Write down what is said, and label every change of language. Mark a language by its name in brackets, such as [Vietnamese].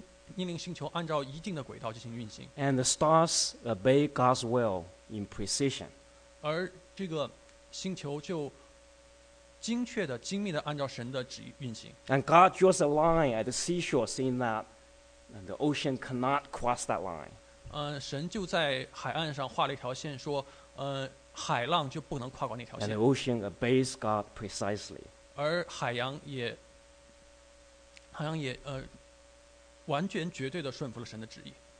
[Chinese] 神命令星球按照一定的轨道进行运行。 [English] And the stars obey God's will in precision. [Chinese] 而这个星球就精确的精密的按照神的旨意运行。 [English] And God draws a line at the seashore, saying that the ocean cannot cross that line. [Chinese] 神就在海岸上画了一条线, 说, 海浪就不能跨过那条线。 [English] And the ocean obeys God precisely. [Chinese] 而海洋也, 完全绝对的顺服了神的旨意。